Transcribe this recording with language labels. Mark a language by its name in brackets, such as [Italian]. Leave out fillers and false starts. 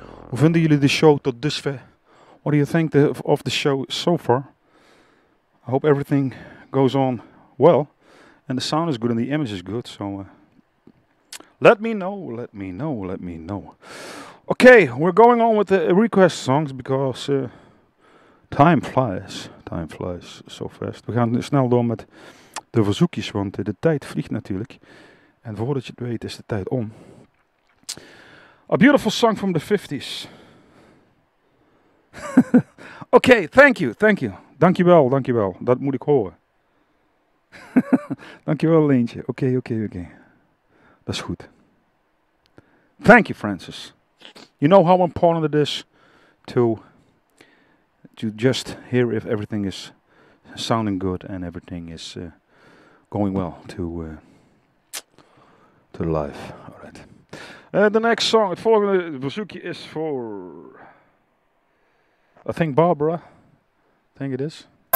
[Dutch] Hoe vinden jullie de show tot dusver? [English] What do you think of the show so far? I hope everything goes on well. And the sound is good and the image is good. So let me know. Okay, we're going on with the request songs because time flies so fast. [Dutch] We gaan snel door met de verzoekjes, want de tijd vliegt natuurlijk. En voordat je het weet is de tijd om. [English] A beautiful song from the 50s. [Dutch] Okay, [English] thank you. [Dutch] Dankjewel. Dat moet ik horen. Dankjewel, Leentje. Okay. Dat is goed. [English] Thank you, [Dutch] Francis. [English] You know how important it is to just hear if everything is sounding good and everything is going well to life. All right. The next song, [Dutch] het volgende verzoekje is voor, [English] I think Barbara, I think it is.